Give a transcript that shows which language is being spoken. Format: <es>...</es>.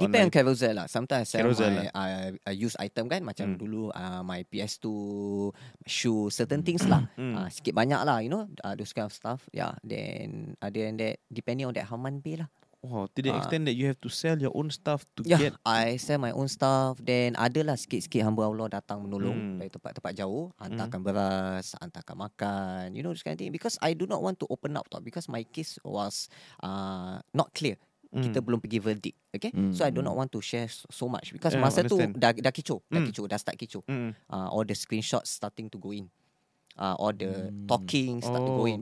<en>I depend on Carousel lah. Sometimes I sell Carousel I use item kan.</en> <ms>Macam dulu</ms> <en>my PS2 shoe, certain things lah.</en> <ms>Sikit banyak lah,</ms> <en>you know, those kind of stuff. Yeah. Then other than that, depending on that, how much pay lah. Wow, to the extent that you have to sell your own stuff to get... Yeah, I sell my own stuff.</en> <ms>Then, adalah sikit-sikit hamba Allah datang menolong dari tempat-tempat jauh. Hantarkan beras, hantarkan makan.</ms> <en>You know, this kind of thing. Because I do not want to open up. Because my case was not clear.</en> <ms>Kita belum pergi</ms> <en>verdict. Okay? So, I do not want to share so much. Because</en> <ms>masa tu dah kicau. Dah start kicau.</ms> <en>All the screenshots starting to go in. All the talking start to go in.</en>